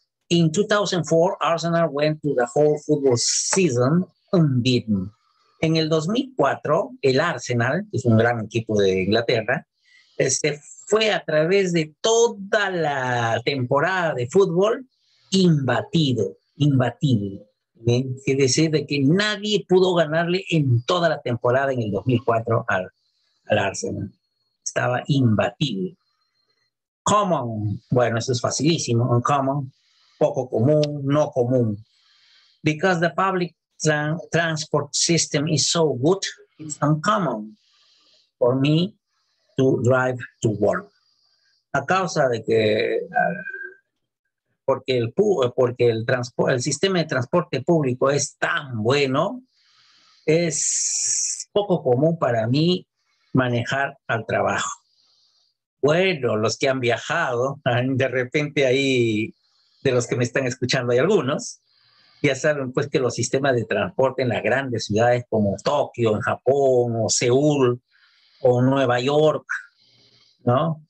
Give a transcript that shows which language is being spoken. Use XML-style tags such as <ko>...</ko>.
<en>In 2004, Arsenal went through the whole football season unbeaten.</en> <es>En el 2004, el Arsenal, que es un gran equipo de Inglaterra, fue a través de toda la temporada de fútbol imbatido, imbatible. ¿Bien? Es decir, de que nadie pudo ganarle en toda la temporada en el 2004 al Arsenal. Estaba imbatible. Common. Bueno, eso es facilísimo. Uncommon. Poco común, no común.</es> <en>Because the public transport system is so good, it's uncommon for me to drive to work.</en> <es>A causa de que... Porque el sistema de transporte público es tan bueno, es poco común para mí manejar al trabajo. Bueno, los que han viajado, de repente ahí, de los que me están escuchando hay algunos, ya saben pues que los sistemas de transporte en las grandes ciudades como Tokio, en Japón, o Seúl, o Nueva York, ¿no?</es>